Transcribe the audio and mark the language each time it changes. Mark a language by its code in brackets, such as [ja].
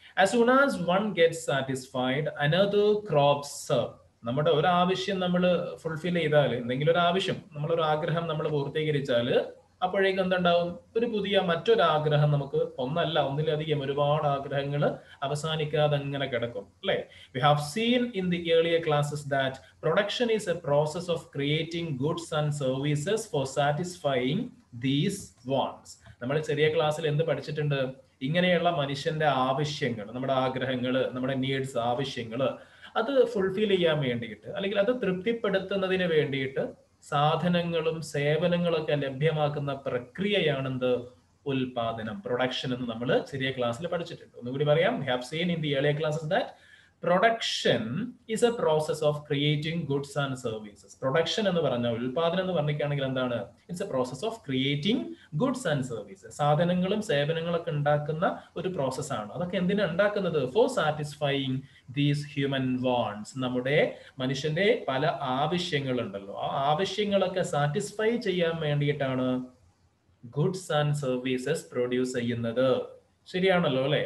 [en] As soon as one gets satisfied, another crops up. [ml] നമ്മുടെ ഒരു ആവശ്യം നമ്മൾ ഫുൾഫിൽ ചെയ്താൽ, എന്തെങ്കിലും ഒരു ആവശ്യം, നമ്മളൊരു ആഗ്രഹം നമ്മൾ പൂർത്തീകരിച്ചാൽ, അപ്പോഴേക്കും എന്തുണ്ടാവും? ഒരു പുതിയ മറ്റൊരാഗ്രഹം നമുക്ക്, ഒന്നല്ല ഒന്നിലധികം ഒരുപാട് ആഗ്രഹങ്ങൾ അവസാനിക്കാതെ അങ്ങനെ കിടക്കും അല്ലെ. [en] We have seen in the earlier classes that production is a process of creating goods and services for satisfying these wants. [ml] നമ്മൾ ചെറിയ ക്ലാസ്സിൽ എന്ത് പഠിച്ചിട്ടുണ്ട്? ഇങ്ങനെയുള്ള മനുഷ്യന്റെ ആവശ്യങ്ങൾ, നമ്മുടെ ആഗ്രഹങ്ങൾ, നമ്മുടെ നീഡ്സ്, ആവശ്യങ്ങൾ, അത് ഫുൾഫിൽ ചെയ്യാൻ വേണ്ടിയിട്ട് അല്ലെങ്കിൽ അത് തൃപ്തിപ്പെടുത്തുന്നതിന് വേണ്ടിയിട്ട് സാധനങ്ങളും സേവനങ്ങളൊക്കെ ലഭ്യമാക്കുന്ന പ്രക്രിയയാണെന്ത് ഉൽപാദനം, പ്രൊഡക്ഷൻ എന്ന് നമ്മൾ ചെറിയ ക്ലാസ്സിൽ പഠിച്ചിട്ടുണ്ട്. ഒന്നുകൂടി പറയാം. [en] We have seen in the earlier classes that production is a process of creating goods and services. [ml] Production എന്ന് പറഞ്ഞാൽ, ഉൽപാദനം എന്ന് പറഞ്ഞിട്ടാണെങ്കിൽ എന്താണ്? [en] It's a process of creating goods and services. [ml] സാധനങ്ങളും സേവനങ്ങളൊക്കെ ഉണ്ടാക്കുന്ന ഒരു പ്രോസസ് ആണ്. അതൊക്കെ എന്തിനാണ് ഉണ്ടാക്കുന്നത്? [en] For satisfying these human wants. [ml] നമ്മുടെ മനുഷ്യന്റെ പല ആവശ്യങ്ങളുണ്ടല്ലോ, ആ ആവശ്യങ്ങളൊക്കെ സാറ്റിസ്ഫൈ ചെയ്യാൻ വേണ്ടിയിട്ടാണ് ഗുഡ്സ് ആൻഡ് സർവീസസ് പ്രൊഡ്യൂസ് ചെയ്യുന്നത്. ശരിയാണല്ലോ അല്ലെ.